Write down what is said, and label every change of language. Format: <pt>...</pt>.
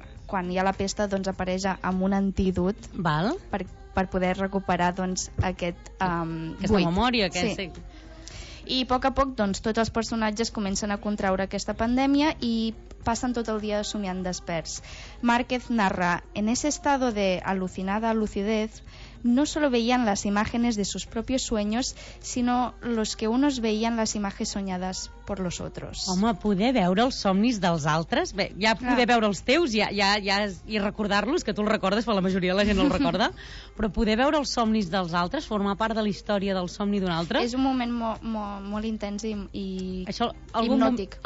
<ca>quan hi ha la pesta, doncs apareix amb un antídot. Val. Per poder recuperar, doncs, aquest aquesta buit. Memòria, aquest, sí. I a poc a poc, doncs, tots els personatges comencen a contraure aquesta pandèmia i passen tot el dia somiant desperts.</ca> <es>Márquez narra: en ese estado de alucinada lucidez, no solo veían las imágenes de sus propios sueños, sino los que unos veían las imágenes soñadas por los otros.</es> <ca>Home, poder veure els somnis dels altres, bé, ja poder veure els teus ja, i recordar-los, que tu els recordes, però la majoria de la gent no els recorda, però poder veure els somnis dels altres, formar part de la història del somni d'un altre... És un moment molt intens i això, hipnòtic.</ca>